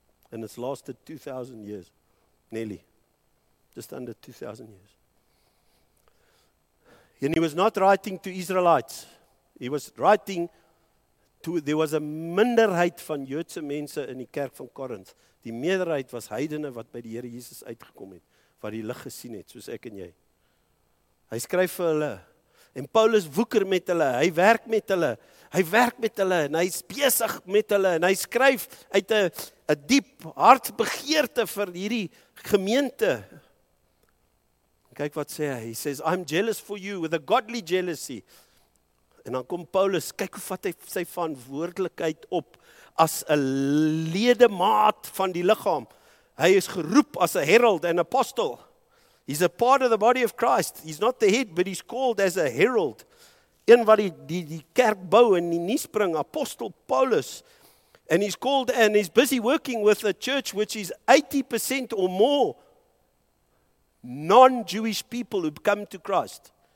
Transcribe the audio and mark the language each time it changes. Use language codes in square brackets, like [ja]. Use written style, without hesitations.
[en] And it's lasted 2,000 years, nearly, just under 2,000 years. And he was not writing to Israelites, he was writing there was a [af] minderheid van Joodse mense in die kerk van Korinth. Die meerderheid was heidene wat by die Here Jesus uitgekom het, wat die lig gesien het, soos ek en jy. Hy skryf vir hulle, en Paulus woeker met hulle, hy werk met hulle, en hy is besig met hulle, en hy skryf uit 'n diep hartsbegeerte vir hierdie gemeente. Kyk wat sê hy, [en] he says, I'm jealous for you with a godly jealousy. [af] En dan kom Paulus, kyk hoe vat hy sy verantwoordelikheid op as 'n ledemaat van die liggaam. Hy is geroep as 'n herald en apostel. [en] He's a part of the body of Christ. He's not the head, but he's called as a herald. [af] Een wat die kerk bou en die nuus bring, apostel Paulus. [en] And he's called and he's busy working with a church which is 80% or more non-Jewish people who've come to Christ.